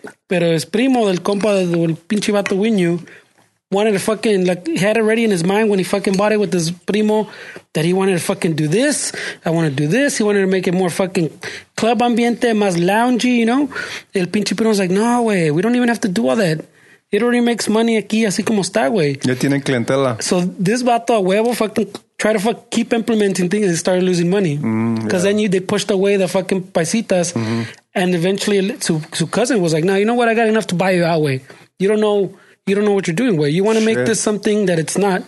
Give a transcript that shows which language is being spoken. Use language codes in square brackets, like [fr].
[es] Pero [en] his primo, [es] del compa, del pinche vato [en] we knew, wanted to fucking, like, he had it ready in his mind when he fucking bought it with his primo that he wanted to fucking do this. I want to do this. He wanted to make it more fucking club ambiente, [es] más loungy, [en] you know? [es] El pinche primo [en] was like, no, way, we don't even have to do all that. It already makes money [es] aquí, así como está, güey. Ya tiene clientela. [en] So this vato [es] a huevo [en] fucking try to fuck keep implementing things and started losing money. Because then they pushed away the fucking paisitas. Mm-hmm. And eventually [es] su [en] cousin was like, no, you know what? I got enough to buy you out, way. You don't know what you're doing, way. You want to make this something that it's not.